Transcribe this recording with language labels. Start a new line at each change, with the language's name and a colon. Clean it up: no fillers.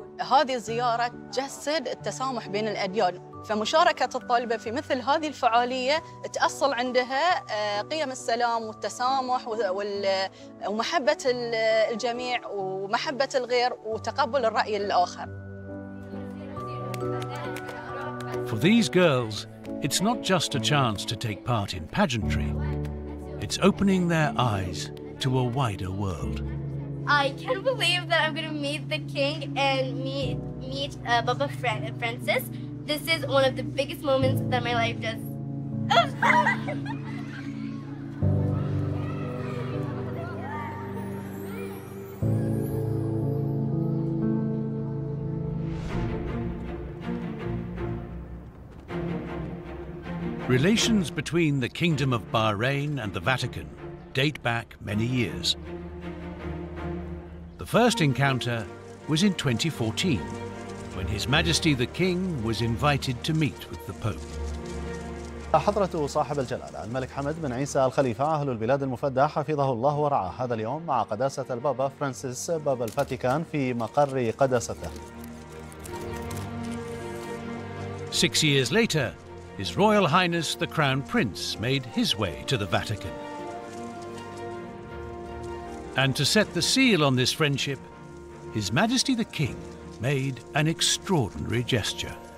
Arabic: هذه الزيارة تجسد التسامح بين الأديان فمشاركة الطالبة في مثل هذه الفعالية تأصل عندها قيم السلام والتسامح ومحبة الجميع ومحبة الغير وتقبل الرأي الآخر.
English: For these girls, it's not just a chance to take part in pageantry. It's opening their eyes to a wider world. I can't believe that I'm gonna meet the king and meet Baba Francis. This is one of the biggest moments that my life does. Relations between the Kingdom of Bahrain and the Vatican date back many years. The first encounter was in 2014, when His Majesty the King was invited to meet with the Pope.
Arabic: حضرته صاحب الجلالة الملك حمد بن عيسى الخليفة أهل البلاد المفدى حفظه الله ورعاه هذا اليوم مع قداسة البابا فرانسيس بابا الفاتيكان في مقر قداسته.
English: 6 years later, His Royal Highness the Crown Prince made his way to the Vatican. And to set the seal on this friendship, His Majesty the King made an extraordinary gesture.